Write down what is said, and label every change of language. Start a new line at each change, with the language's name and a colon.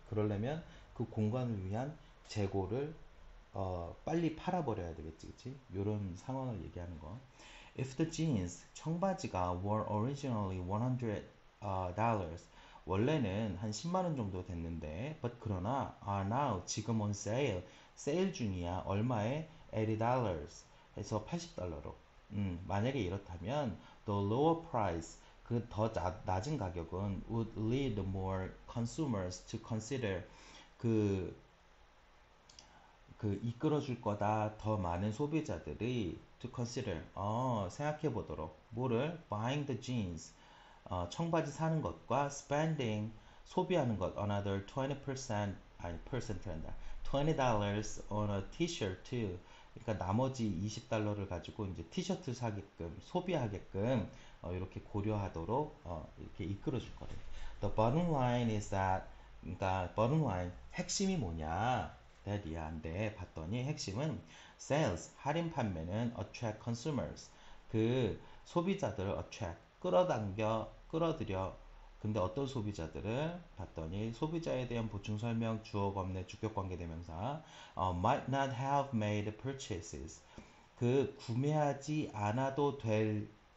Korean: 그러려면 그 공간을 위한 재고를 빨리 팔아버려야 되겠지, 그치? 요런 상황을 얘기하는 거.
English: If the jeans,
Korean: 청바지가
English: were originally $100,
Korean: 원래는 한 10만 원 정도 됐는데, but 그러나
English: are now
Korean: 지금 on sale, 세일 중이야. 얼마에? $80 해서 $80로. 만약에 이렇다면
English: the lower price,
Korean: 그더 낮은 가격은
English: would lead more consumers to consider
Korean: 그 이끌어줄 거다. 더 많은 소비자들이 to consider 생각해 보도록 뭐를
English: buying the jeans
Korean: 청바지 사는 것과 spending 소비하는 것 another 20% 아니 percent란다 $20
English: on a t-shirt
Korean: 그러니까 나머지 20달러를 가지고 이제 티셔츠 사게끔 소비하게끔 이렇게 고려하도록 이렇게 이끌어줄 거래.
English: The bottom line is that
Korean: 그러니까 bottom line 핵심이 뭐냐? 대리한데 봤더니 핵심은 sales 할인 판매는
English: attract consumers
Korean: 그 소비자들을 attract 끌어당겨 끌어들여 근데 어떤 소비자들을 봤더니 소비자에 대한 보충 설명 주어 겸의 주격 관계 대명사
English: might not have made purchases
Korean: 그 구매하지 않아도 될